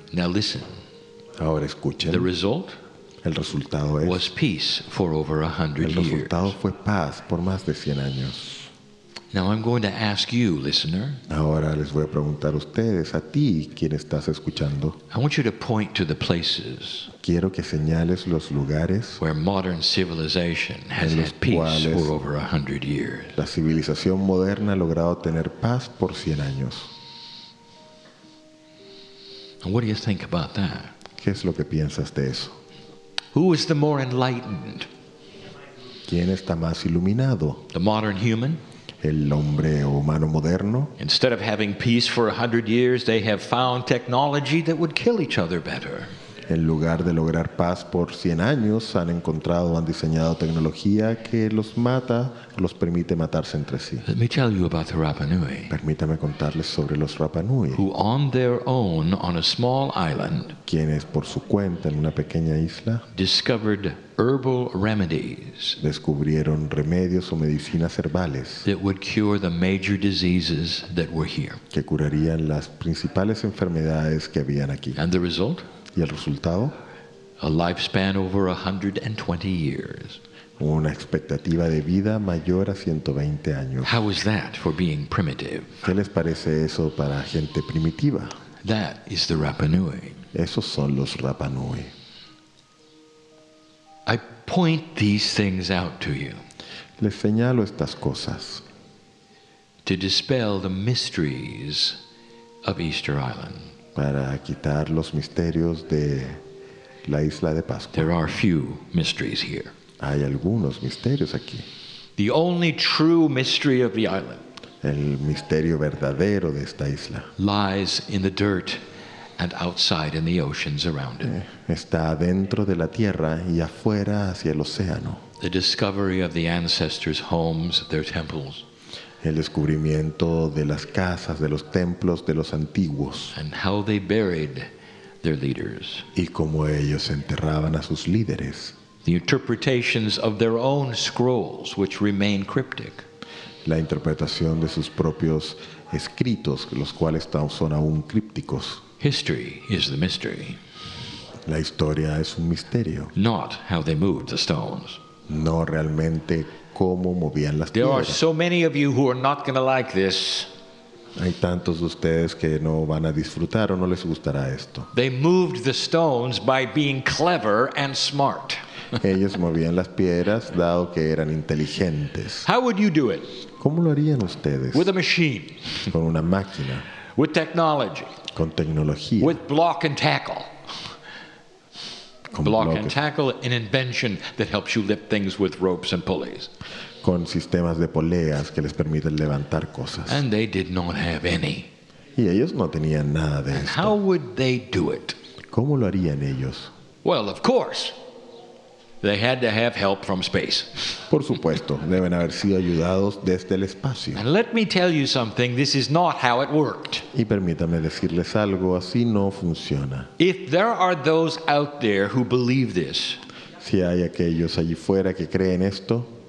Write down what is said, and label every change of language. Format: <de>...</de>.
<en>Now listen.</en> <es>Ahora escuchen.</es> <en>The result.</en> <es>El resultado es,</es> <en>was peace for over 100</en> <es>el resultado</es> <en>years.</en> <es>Fue paz por más de 100 años.</es> <en>Now I'm going to ask you, listener.</en> <es>Ahora les voy a preguntar a ustedes, a ti, quien estás escuchando.</es> <en>I want you to point to the places.</en> <es>Quiero que señales los lugares</es> <en>where modern civilization has had peace for over 100 years.</en> <es>La civilización moderna ha logrado tener paz por 100 años.</es> <en>And what do you think about that?</en> <es>¿Qué es lo que piensas de eso?</es> <en>Who is the more enlightened?</en> <es>¿Quién está más iluminado?</es> <en>The modern human?</en> <es>El hombre humano moderno?</es> <en>Instead of having peace for 100 years, they have found technology that would kill each other better.</en> <es>En lugar de lograr paz por 100 años, han encontrado, han diseñado tecnología que los mata, los permite matarse entre sí.</es> <en>Let me tell you about the Rapa Nui.</en> <es>Permítame contarles sobre los Rapa Nui.</es> <en>Who on their own, on a small island,</en> <es>quienes por su cuenta en una pequeña isla,</es> <en>discovered herbal remedies,</en> <es>descubrieron remedios o medicinas herbales,</es> <en>that would cure the major diseases that were here.</en> <es>Que curarían las principales enfermedades que habían aquí.</es> <en>And the result?</en> <es>¿Y el resultado?</es> <en>A lifespan over 120 years.</en> <es>Una expectativa de vida mayor a 120 años.</es> <en>How is that for being primitive?</en> <es>¿Qué les parece eso para gente primitiva?</es> <en>That is the Rapa Nui.</en> <es>Esos son los Rapa Nui.</es> <en>I point these things out to you.</en> <es>Les señalo estas cosas.</es> <en>To dispel the mysteries of Easter Island.</en> <es>Para quitar los misterios de la isla de Pascua.</es> <en>There are few mysteries here.</en> <es>Hay algunos misterios aquí.</es> <en>The only true mystery of the island.</en> <es>El misterio verdadero de esta isla.</es> <en>Lies in the dirt and outside in the oceans around it.</en> <es>Está dentro de la tierra y afuera hacia el océano.</es> <en>The discovery of the ancestors' homes, their temples.</en> <es>El descubrimiento de las casas, de los templos, de los antiguos.</es> <en>And how they buried their leaders.</en> <es>Y cómo ellos enterraban a sus líderes.</es> <en>The interpretations of their own scrolls, which remain cryptic.</en> <es>La interpretación de sus propios escritos, los cuales son aún crípticos.</es> <en>History is the mystery.</en> <es>La historia es un misterio.</es> <en>Not how they moved the stones.</en> <es>No realmente.</es> <en>There are so many of you who are not going to like this.</en> <es>Hay tantos de ustedes que no van a disfrutar o no les gustará esto.</es> <en>They moved the stones by being clever and smart.</en> <es>Ellos movían las piedras dado que eran inteligentes.</es> <en>How would you do it?</en> <es>¿Cómo lo harían ustedes?</es> <en>With a machine.</en> <es>Con una máquina.</es> <en>With technology.</en> <es>Con tecnología.</es> <en>With block and tackle. Block and tackle, an invention that helps you lift things with ropes and pulleys.</en> <es>Con sistemas de poleas que les permiten levantar cosas.</es> <en>And they did not have any.</en> <es>Y ellos no tenían nada de</es> <en>and</en> <es>esto.</es> <en>How would they do it?</en> <es>¿Cómo lo harían ellos?</es> <en>Well, of course, they had to have help from space.</en> <es>Por supuesto, deben haber sido ayudados desde el espacio.</es> <en>And let me tell you something, this is not how it worked.</en> <es>Y permítame decirles algo, así no funciona.</es> <en>If there are those out there who believe this,</en> <es>si hay aquellos allí fuera que creen esto,</es>